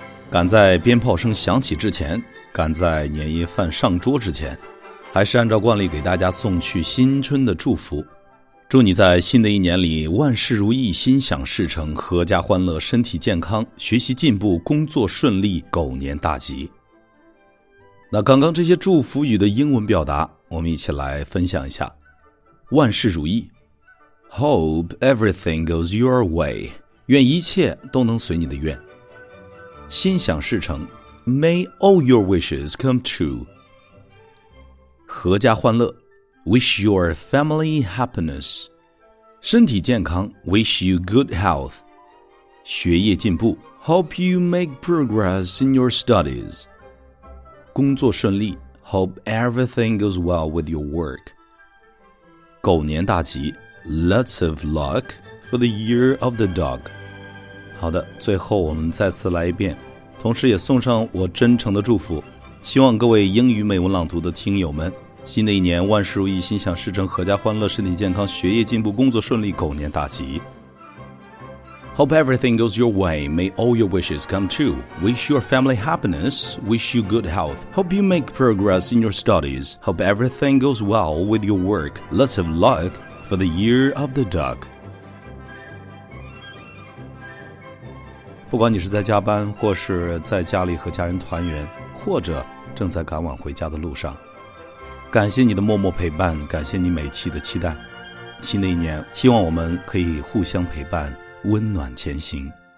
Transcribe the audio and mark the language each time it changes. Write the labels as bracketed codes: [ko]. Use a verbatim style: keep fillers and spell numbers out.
[zh] 赶在鞭炮声响起之前，赶在年夜饭上桌之前，还是按照惯例给大家送去新春的祝福，祝你在新的一年里万事如意，心想事成，阖家欢乐，身体健康，学习进步，工作顺利，狗年大吉。那刚刚这些祝福语的英文表达，我们一起来分享一下。万事如意， [en] Hope everything goes your way. [zh] 愿一切都能随你的愿。心想事成， [en] May all your wishes come true. [zh] 阖家欢乐， [en] Wish your family happiness. [zh] 身体健康， [en] Wish you good health. [zh] 学业进步， [en] Hope you make progress in your studies. [zh] 工作顺利， [en] Hope everything goes well with your work. [zh] 狗年大吉， [en] Lots of luck for the year of the dog. [zh] 好的，最后我们再次来一遍，同时也送上我真诚的祝福，希望各位英语美文朗读的听友们，新的一年万事如意，心想事成，阖家欢乐，身体健康，学业进步，工作顺利，狗年大吉。 [en] Hope everything goes your way. May all your wishes come true. Wish your family happiness. Wish you good health. Hope you make progress in your studies. Hope everything goes well with your work. Lots of luck for the year of the dog. [zh] 不管你是在加班，或是在家里和家人团圆，或者正在赶往回家的路上，感谢你的默默陪伴，感谢你每期的期待。新的一年，希望我们可以互相陪伴，温暖前行。